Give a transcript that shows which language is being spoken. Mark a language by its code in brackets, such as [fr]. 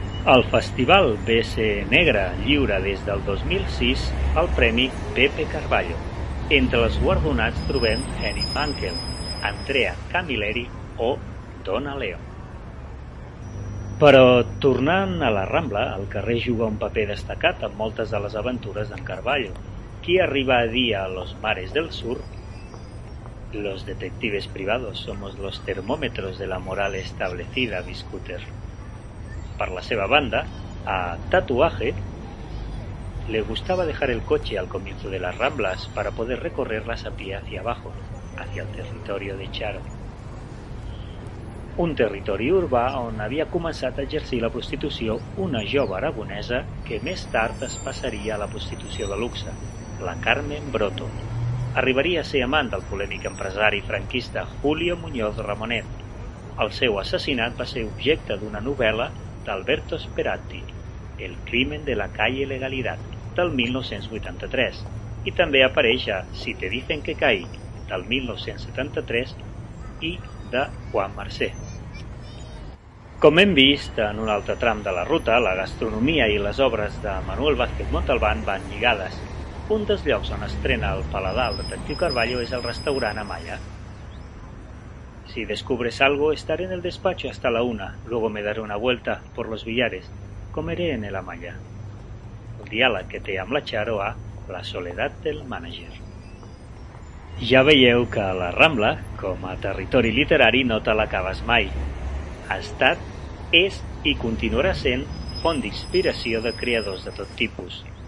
[ca] El festival BC Negra lliura des del 2006 el premi Pepe Carballo. Entre els guardonats trobem Henny Mankell, Andrea Camilleri o Donna Leon. Però tornant a la Rambla, el carrer juga un paper destacat en moltes de les aventures d'en Carballo. Qui arriba a dir [es] a los mares del sur: los detectives privados somos los termómetros de la moral establecida, Biscúter. [ca] Per la seva banda, [es] a Tatuaje le gustaba dejar el coche al comienzo de las ramblas para poder recorrerlas a pie hacia abajo, hacia el territorio de Charo. [ca] Un territori urbà on havia començat a exercir la prostitució una jove aragonesa que més tard es passaria a la prostitució de luxe, la Carmen Broto. Arribaria a ser amant del polèmic empresari franquista Julio Muñoz Ramonet. El seu assassinat va ser objecte d'una novel·la d'Alberto Sperati, El crimen de la calle Legalidad, del 1983, i també apareix a Si te dicen que caí, del 1973, i de Juan Mercé. Com hem vist en un altre tram de la ruta, la gastronomia i les obres de Manuel Vázquez Montalbán van lligades. Un dels llocs on estrena el paladar el detectiu Carballo és el restaurant Amaya. [es] Si descubres algo, estaré en el despacho hasta la una, luego me daré una vuelta por los billares, comeré en el Amaya. [ca] El diàleg que té amb la Charo a La soledat del mànager. Ja veieu que la Rambla, com a territori literari, no te l'acabes mai. Ha estat, és i continuarà sent font d'inspiració de creadors de tot tipus.